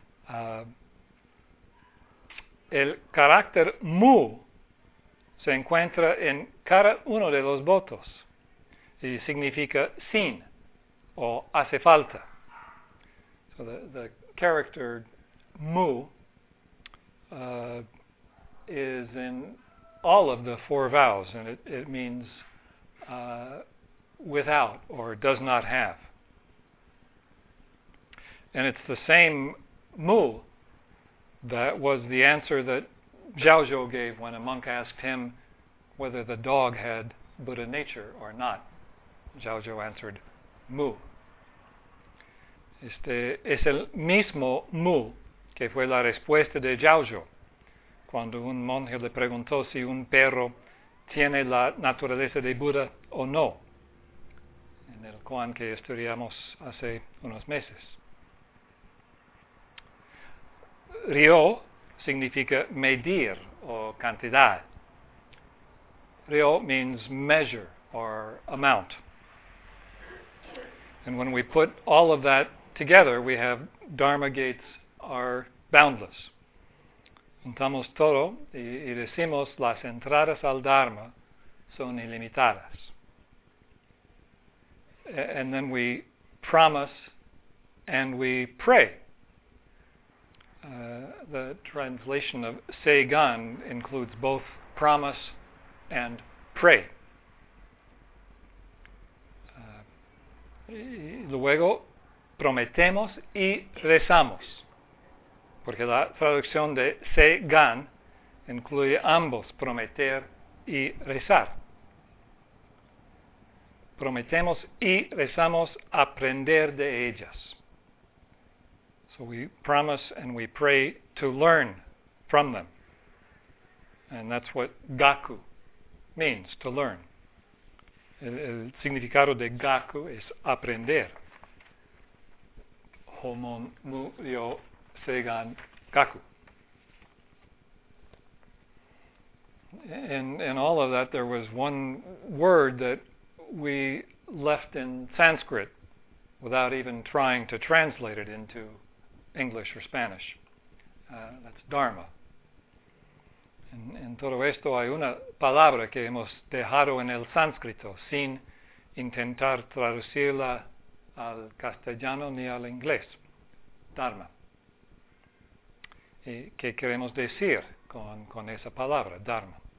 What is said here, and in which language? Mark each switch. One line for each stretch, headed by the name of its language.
Spanish: El carácter mu se encuentra en cada uno de los votos y significa sin o hace falta.
English: So the character mu is in all of the four vows, and it means without or does not have. And it's the same mu that was the answer that Zhao Zhou gave when a monk asked him whether the dog had Buddha nature or not. Zhao Zhou answered, mu.
Spanish: Este es el mismo mu que fue la respuesta de Zhao Zhou cuando un monje le preguntó si un perro tiene la naturaleza de Buddha o no, en el koan que estudiamos hace unos meses. Ryo significa medir o cantidad.
English: Ryo means measure or amount. And when we put all of that together, we have Dharma gates are boundless.
Spanish: Juntamos todo y decimos las entradas al Dharma son ilimitadas.
English: And then we promise and we pray the translation of Seigan includes both promise and pray.
Spanish: Luego prometemos y rezamos, porque la traducción de Seigan incluye ambos, prometer y rezar. Prometemos y rezamos aprender de ellas.
English: So we promise and we pray to learn from them. And that's what gaku means, to learn.
Spanish: El significado de gaku es aprender.
Japanese: Homon mu yo seigan gaku.
English: In all of that, there was one word that we left in Sanskrit without even trying to translate it into English or Spanish. That's dharma.
Spanish: En todo esto hay una palabra que hemos dejado en el sánscrito sin intentar traducirla al castellano ni al inglés. Dharma. ¿Y qué queremos decir con esa palabra, dharma?